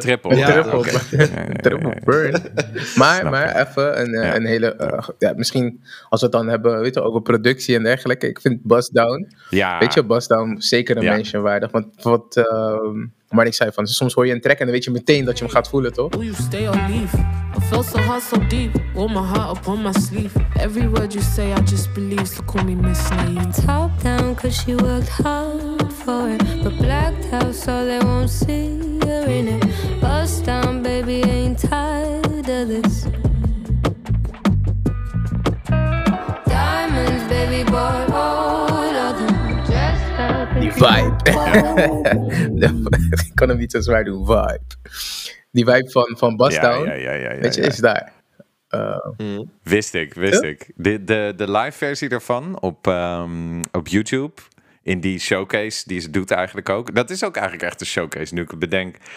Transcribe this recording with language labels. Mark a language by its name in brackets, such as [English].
[Dutch] triple. Ja, triple Burn. Maar even een hele... misschien als we het dan hebben over productie en dergelijke. Ik vind Bust Down. Ja. Weet je, Bust Down zeker een mention waardig. Want wat Marnik zei van... Soms hoor je een track en dan weet je meteen dat je hem gaat voelen, toch? [English] Will you stay or leave? I felt so hard so deep. Wore my heart upon my sleeve. Every word you say I just believe. So call me Miss Naive. Top down cause she worked hard for it. But blacked out so they won't see her in it. Bust down baby ain't tired of this. Diamonds baby boy all of them. [Dutch] Die vibe. Ik kan hem niet zo zwaar doen. Vibe. Die vibe van Bustdown. Ja. Weet je, is daar. Wist ik. De live versie ervan op YouTube. In die showcase die ze doet eigenlijk ook. Dat is ook eigenlijk echt een showcase, nu ik het bedenk.